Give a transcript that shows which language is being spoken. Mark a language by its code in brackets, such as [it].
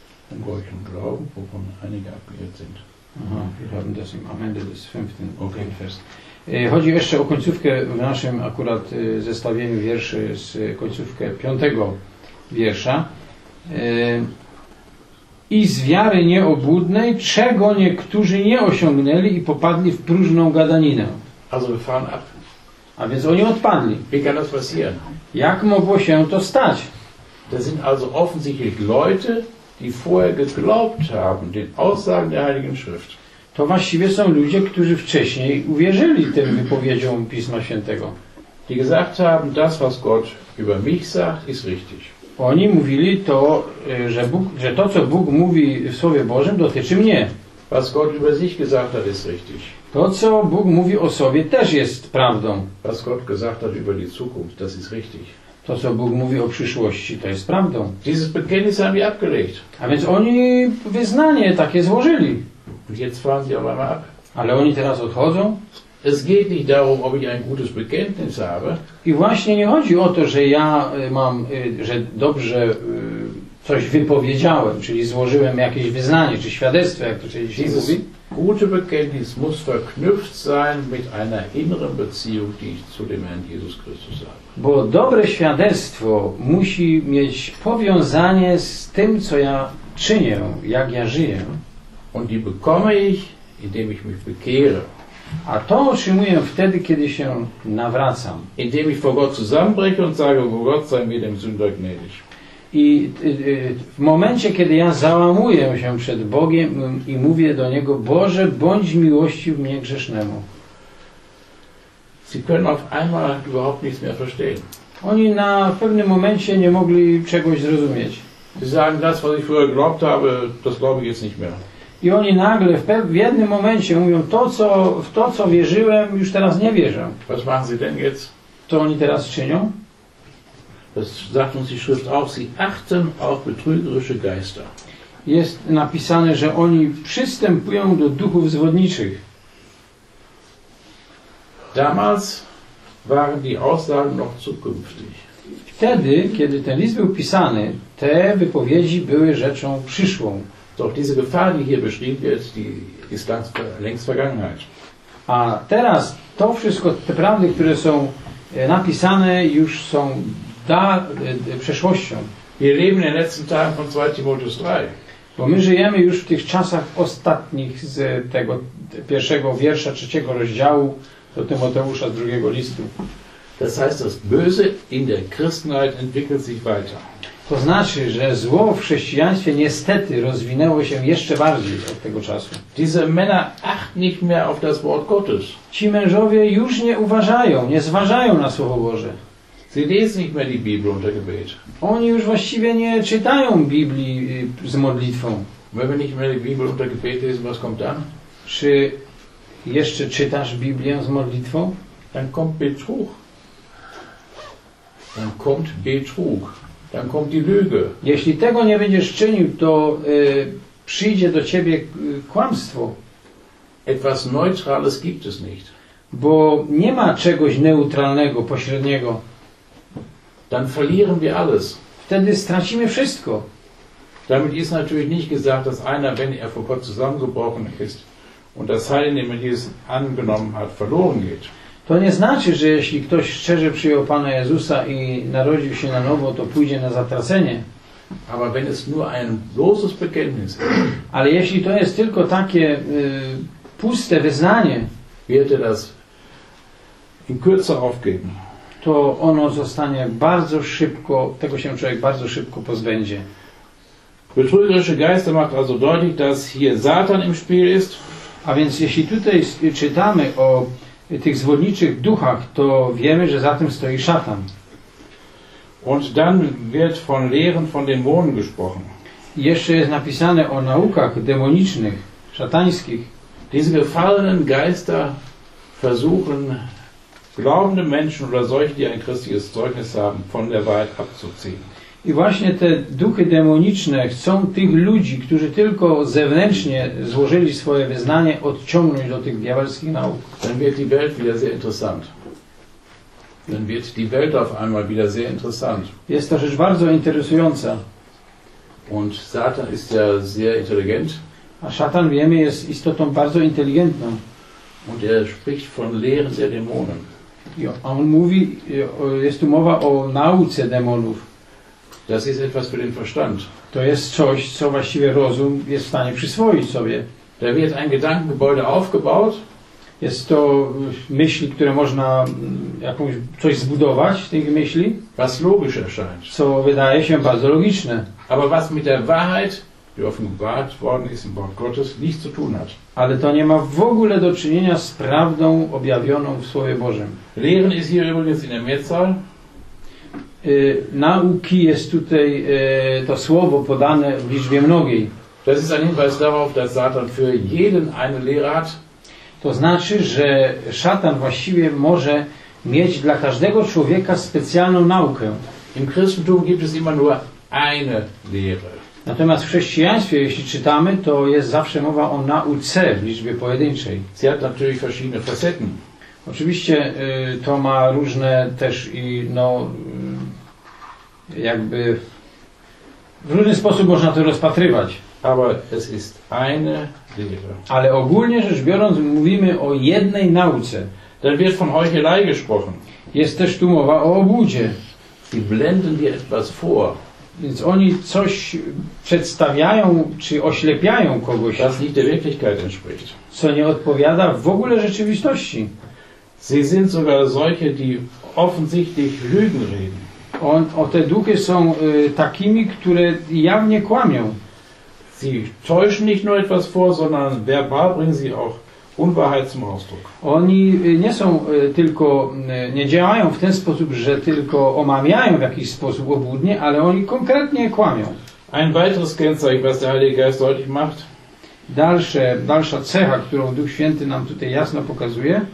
[de] Ungehorchten Glauben, wovon einige abgeirrt sind. Aha, wir haben das am Ende des 5. Okay. Vers. [pl] Chodzi jeszcze o końcówkę w naszym akurat zestawieniu wierszy, z końcówkę 5. wiersza. I z wiary nieobłudnej, czego niektórzy nie osiągnęli i popadli w próżną gadaninę. A więc oni odpadli. [de] Wie kann das passieren? [pl] Jak mogło się to stać? [de] To sind also offensichtlich Leute, die vorher geglaubt haben den Aussagen der Heiligen Schrift. [pl] To właściwie są ludzie, którzy wcześniej uwierzyli tym wypowiedziom Pisma Świętego. [de] Die gesagt haben, das was Gott über mich sagt, ist richtig. [pl] Oni mówili to, że Bóg, że to co Bóg mówi w Słowie Bożym dotyczy mnie. [de] Was Gott über sich gesagt hat, ist richtig. [pl] To co Bóg mówi o sobie też jest prawdą. [de] Was Gott gesagt hat über die Zukunft, das ist richtig. [pl] To, co Bóg mówi o przyszłości, to jest prawdą. [de] Dieses Bekenntnis haben wir abgelegt. [pl] A więc oni wyznanie takie złożyli. [de] Jetzt fahren sie auf einmal ab. [pl] Ale oni teraz odchodzą. [de] Es geht nicht darum, ob ich ein gutes Bekenntnis habe. [pl] I właśnie nie chodzi o to, że ja mam, że dobrze coś wypowiedziałem, czyli złożyłem jakieś wyznanie, czy świadectwo, jak to się dzisiaj [de] dieses [pl] mówi. [de] Gute Bekenntnis muss verknüpft sein mit einer inneren Beziehung, die ich zu dem Herrn Jesus Christus habe. [pl] Bo dobre świadectwo musi mieć powiązanie z tym, co ja czynię, jak ja żyję. [de] Und die bekomme ich, indem ich mich bekehre. [pl] A to otrzymuję wtedy, kiedy się nawracam. [de] Indem ich vor Gott zusammenbreche und sage, wo Gott sei mir dem Sünder gnädig. [pl] I w momencie, kiedy ja załamuję się przed Bogiem i mówię do Niego, Boże, bądź miłościw mnie grzesznemu. [de] Sie können auf einmal überhaupt nichts mehr verstehen. [pl] Oni na pewnym momencie nie mogli czegoś zrozumieć. [de] Sie sagen, das, was ich früher geglaubt habe, das glaube ich jetzt nicht mehr. [pl] I oni nagle w jednym momencie mówią, w to, co wierzyłem, już teraz nie wierzę. [de] Was machen Sie denn jetzt? [pl] To oni teraz czynią? [de] Das sagt uns die Schrift auch, sie achten auf betrügerische Geister. [pl] Jest napisane, że oni przystępują do duchów zwodniczych. [de] Damals waren die Aussagen noch zukünftig. [pl] Wtedy, kiedy ten list był pisany, te wypowiedzi były rzeczą przyszłą. [de] Doch diese Gefahr, die hier beschrieben wird, die ist längst Vergangenheit. [pl] A teraz to wszystko, te prawdy, które są napisane, już są przeszłością. [de] Wir leben in den letzten Tagen von 2. Timotheus 3. [pl] Bo my żyjemy już w tych czasach ostatnich z tego pierwszego wiersza, trzeciego rozdziału do Tymoteusza, z drugiego listu. [de] Das heißt, das Böse in der Christenheit entwickelt sich weiter. [pl] To znaczy, że zło w chrześcijaństwie niestety rozwinęło się jeszcze bardziej od tego czasu. [de] Diese Männer achten nicht mehr auf das Wort Gottes. [pl] Ci mężowie już nie uważają, nie zważają na Słowo Boże. [de] Sie lesen nicht mehr die Bibel unter Gebet. [pl] Oni już właściwie nie czytają Biblii z modlitwą. [de] Wenn wir nicht mehr die Bibel unter Gebet lesen, was kommt dann? [pl] Czy jeszcze czytasz Biblię z modlitwą? [de] Dann kommt Betrug. Dann kommt Betrug. Dann kommt die Lüge. [pl] Jeśli tego nie będziesz czynił, to przyjdzie do ciebie kłamstwo. [de] Etwas Neutrales gibt es nicht. [pl] Bo nie ma czegoś neutralnego, pośredniego. [de] Dann verlieren wir alles. [pl] Wtedy stracimy wszystko. [de] Damit ist natürlich nicht gesagt, dass einer, wenn er vor Gott zusammengebrochen ist und das Heil, in dem er Jesus angenommen hat, verloren geht. [pl] To nie znaczy, że jeśli ktoś szczerze przyjął Pana Jezusa i narodził się na nowo, to pójdzie na zatracenie. [de] Aber wenn es nur ein bloßes Bekenntnis ist, [pl] ale jeśli to jest tylko takie puste wyznanie, [de] wird er das in Kürze aufgeben. [pl] To ono zostanie bardzo szybko, tego się człowiek bardzo szybko pozbędzie. [de] Betrügerische Geister macht also deutlich, dass hier Satan im Spiel ist. [pl] A więc jeśli tutaj czytamy o tych zwodniczych duchach, to wiemy, że za tym stoi szatan. [de] Und dann wird von Lehren von Dämonen gesprochen. [pl] I jeszcze jest napisane o naukach demonicznych, szatańskich. [de] Diese gefallenen Geister versuchen, glaubende Menschen oder solche, die ein christliches Zeugnis haben, von der Wahrheit abzuziehen. [pl] I właśnie te duchy demoniczne chcą tych ludzi, którzy tylko zewnętrznie złożyli swoje wyznanie, odciągnąć do tych diabelskich nauk. [de] Dann wird die Welt wieder sehr interessant. Dann wird die Welt auf einmal wieder sehr interessant. [pl] Jest to rzecz bardzo interesująca. [de] Und Satan ist ja sehr intelligent. [pl] A szatan, wiemy, jest istotą bardzo inteligentną. [de] Und er spricht von Lehren der Dämonen. [pl] On mówi, jest tu mowa o nauce demonów. [de] Das ist etwas für den Verstand. [pl] To jest coś, co właściwie rozum jest w stanie przyswoić sobie. [de] Da wird ein Gedankengebäude aufgebaut. [pl] Jest to myśli, które można jakąś coś zbudować w tych myśli. [de] Was logisch erscheint. [pl] Co wydaje się bardzo logiczne. [de] Aber was mit der Wahrheit, die offenbart worden ist im Wort Gottes, nichts zu tun hat. [pl] Ale to nie ma w ogóle do czynienia z prawdą objawioną w Słowie Bożym. [de] Lehren ist hier übrigens in der Mehrzahl. [pl] Nauki jest tutaj to słowo podane w liczbie mnogiej. [de] Das ist ein Hinweis darauf, dass Satan für jeden eine Lehre hat. [pl] To znaczy, że szatan właściwie może mieć dla każdego człowieka specjalną naukę. [de] Im Christentum gibt es immer nur eine Lehre. [pl] Natomiast w chrześcijaństwie, jeśli czytamy, to jest zawsze mowa o nauce w liczbie pojedynczej. [de] Sie hat natürlich verschiedene Facetten. [pl] Oczywiście to ma różne też i no jakby w różny sposób można to rozpatrywać. [de] Aber es ist eine Lehre. [pl] Ale ogólnie rzecz biorąc mówimy o jednej nauce. [de] Dann wird von Heuchelei gesprochen. [pl] Jest też tu mowa o obłudzie. [de] Sie blenden dir etwas vor. [pl] Więc oni coś przedstawiają czy oślepiają kogoś. [de] Das nicht der Wirklichkeit entspricht. [pl] Co nie odpowiada w ogóle rzeczywistości. [de] Sie sind sogar solche, die offensichtlich Lügen reden. Und [pl] te duchy są takimi, które jawnie kłamią. [de] Sie täuschen nicht nur etwas vor, sondern verbal bringen sie auch Unwahrheit zum Ausdruck. [pl] Oni nie są tylko, nie działają w ten sposób, że tylko omamiają w jakiś sposób obłudnie, ale oni konkretnie kłamią. [de] Ein weiteres Kennzeichen, was der Heilige Geist deutlich macht. [pl] Dalsza cecha, którą Duch Święty nam tutaj jasno pokazuje,